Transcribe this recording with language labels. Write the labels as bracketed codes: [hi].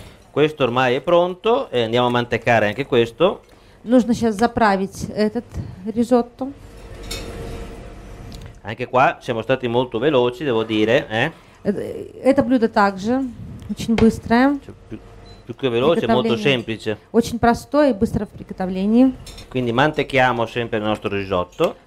[it] Questo ormai è pronto e andiamo a mantecare anche questo. [ru] Нужно сейчас заправить этот ризотто. [it] Anche qua siamo stati molto veloci, devo dire, eh? [ru] Это блюдо также очень быстрое. [it] Più che veloce, molto semplice. [ru] Очень простое и быстро в приготовлении. [it] Quindi mantechiamo sempre il nostro risotto.